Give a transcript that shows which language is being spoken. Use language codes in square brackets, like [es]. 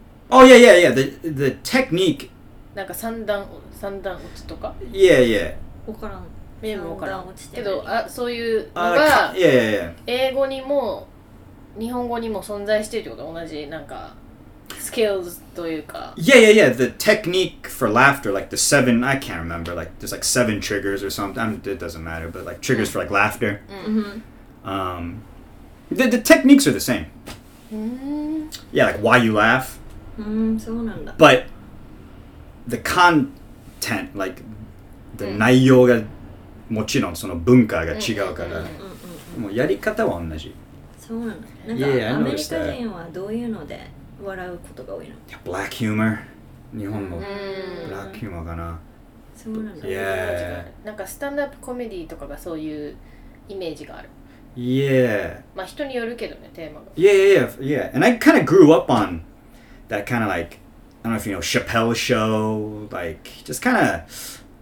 [en] Oh yeah, yeah, yeah. The technique. [ja] なんか三段落ちとか。 [en] Yeah, yeah. [ja] わからん。メモわからん。けど、あ、そういうのが、 [en] yeah, yeah, yeah. [ja] 英語にも日本語にも存在してるってこと、同じなんか。 Skills というか。 [en] Yeah, yeah, yeah. The technique for laughter, like the seven, I can't remember, like there's like seven triggers or something. I mean, it doesn't matter, but like triggers、mm-hmm. for like laughter.、 Mm-hmm. The techniques are the same.、 Mm-hmm. Yeah, like why you laugh.、 Mm-hmm. But the content, like the、mm-hmm. [ja] 内容がもちろんその文化が違うから、 mm-hmm. もうやり方は同じ。そうなんだ。 [en] Yeah, [ja] アメリカ人はどういうので笑うことが多いの。 [en] Yeah, black humor. [ja] 日本のブラックヒューマーかな。そうなんだ。 [en] Yeah. [ja] なんかスタンドアップコメディとかがそういうイメージがある。 [en] Yeah. [ja] まあ人によるけどね、テーマが。 [en] Yeah, yeah, yeah. And I kind of grew up on that kind of like, I don't know if you know, Chappelle show, like, just kind of...